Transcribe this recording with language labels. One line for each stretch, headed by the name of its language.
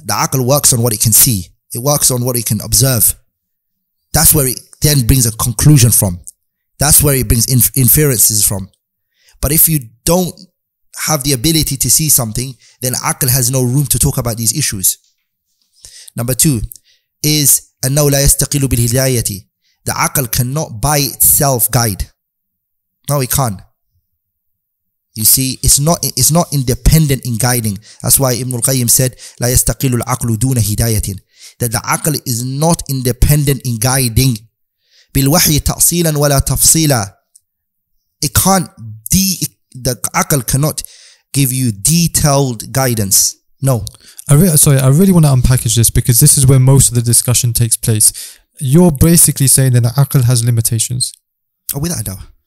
English: The aql works on what it can see. It works on what it can observe. That's where it then brings a conclusion from. That's where it brings inferences from. But if you don't have the ability to see something, then aql has no room to talk about these issues. Number two is
Arabic: أنه لا يستقل بالهداية.
English: The aql cannot by itself guide. No, it can't. You see, it's not independent in guiding. That's why Ibn al-Qayyim said
Arabic: لا يستقل العقل دون هداية.
English: That the aql is not independent in guiding.
Arabic: بالوحي تأصيلا ولا تفصيلا.
English: It can't, the aql cannot give you detailed guidance. No. I really want to unpackage this, because this is where most of the discussion takes place. You're basically saying that the aql has limitations. Oh, without a doubt.